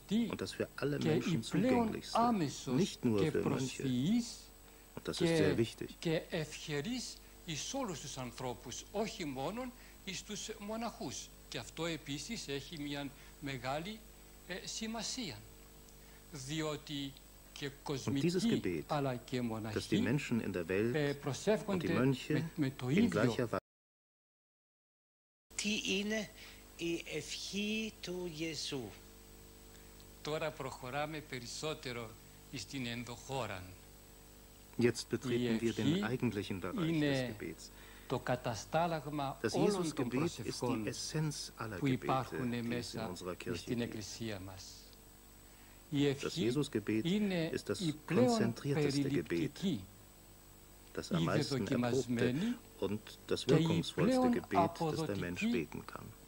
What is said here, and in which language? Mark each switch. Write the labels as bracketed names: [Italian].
[German] und dass für alle Menschen zugänglich sind, nicht nur für manche. Und das ist sehr wichtig. [Greek] Και αυτό επίσης έχει μια μεγάλη σημασία, διότι και κοσμική αλλά και μοναχοί προσεύχονται με το ίδιο. Τι είναι η ευχή του Ιησού? Τώρα προχωράμε περισσότερο στην ενδοχώρα. [German] Jetzt betreten wir den eigentlichen Bereich des Gebets. Das Jesusgebet ist die Essenz aller Gebete, die es in unserer Kirche gibt. Das Jesusgebet ist das konzentrierteste Gebet, das am meisten erprobte und das wirkungsvollste Gebet, das der Mensch beten kann.